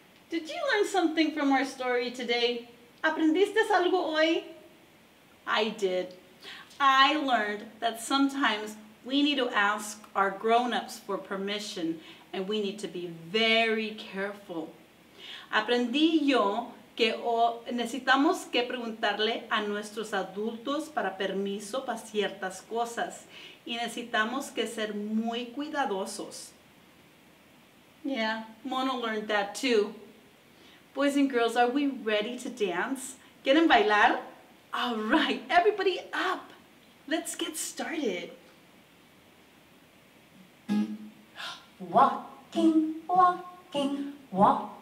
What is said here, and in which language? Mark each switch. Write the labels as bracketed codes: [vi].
[en] Did you learn something from our story today? [es] ¿Aprendiste algo hoy? [en] I did. I learned that sometimes we need to ask our grown-ups for permission, and we need to be very careful. [es] Aprendí yo que necesitamos que preguntarle a nuestros adultos para permiso para ciertas cosas, y necesitamos que ser muy cuidadosos. [en] Yeah, Mono learned that too. Boys and girls, are we ready to dance? [es] ¿Quieren bailar? [en] All right, everybody up. Let's get started. Walking, walking, walking.